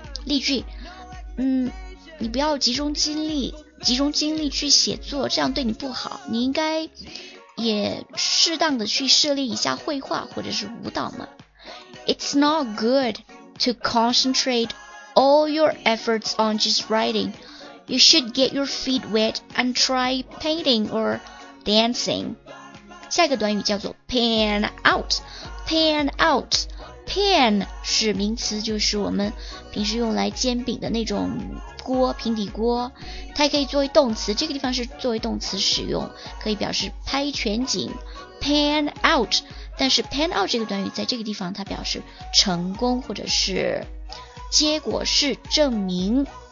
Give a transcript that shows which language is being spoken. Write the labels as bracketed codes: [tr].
[zh] 例句，你不要集中精力去写作，这样对你不好，你应该也适当的去涉猎一下绘画或者是舞蹈嘛。 [en] It's not good to concentrate all your efforts on just writing. You should get your feet wet and try painting or dancing. [zh] 下一个短语叫做 pan out. Pan out. Pan 是名词，就是我们平时用来煎饼的那种锅，平底锅，它也可以作为动词，这个地方是作为动词使用，可以表示拍全景 pan out， 但是 pan out 这个短语在这个地方它表示成功或者是结果是证明。